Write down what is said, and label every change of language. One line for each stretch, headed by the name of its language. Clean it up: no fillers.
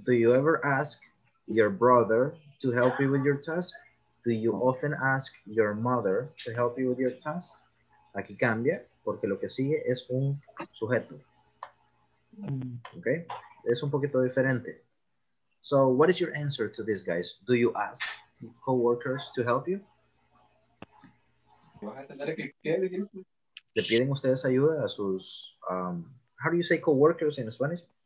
English: Do you ever ask your brother to help you with your task? Do you often ask your mother to help you with your task?
Spanish: Aquí cambia porque lo que sigue es un sujeto. Okay. Es un poquito diferente.
English: So what is your answer to this, guys? Do you ask co-workers to help you?
Spanish: ¿Le piden ustedes ayuda a sus,
English: how do you say co-workers in Spanish?